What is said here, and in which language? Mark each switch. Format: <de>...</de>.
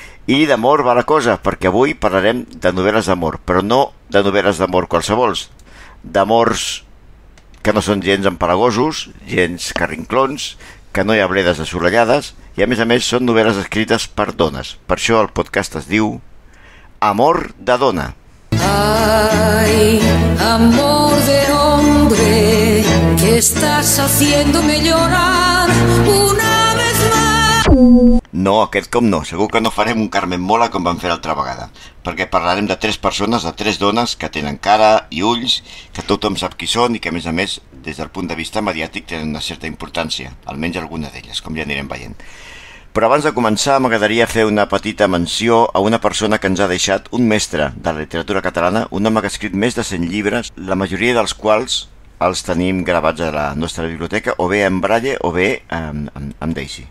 <ca>I d'amor va la cosa, perquè avui parlarem de novel·les d'amor, però no de novel·les d'amor qualsevols, d'amors que no són gens empalagosos, gens carrinclons, que no hi ha bledes assolellades, i a més són novel·les escrites per dones. Per això el podcast es diu Amor de Dona.</ca> <es>Ay, amor de hombre, que estás haciéndome llorar una vez más.</es> <ca>No, aquest cop no. Segur que no farem un Carmen Mola com vam fer l'altra vegada. Perquè parlarem de tres persones, de tres dones que tenen cara i ulls, que tothom sap qui són i que, a més, des del punt de vista mediàtic tenen una certa importància, almenys alguna d'elles, com ja anirem veient. Però abans de començar, m'agradaria fer una petita menció a una persona que ens ha deixat, un mestre de la literatura catalana, un home que ha escrit més de 100 llibres, la majoria dels quals els tenim gravats a la nostra biblioteca, o bé en Braille o bé en Deixi.</ca>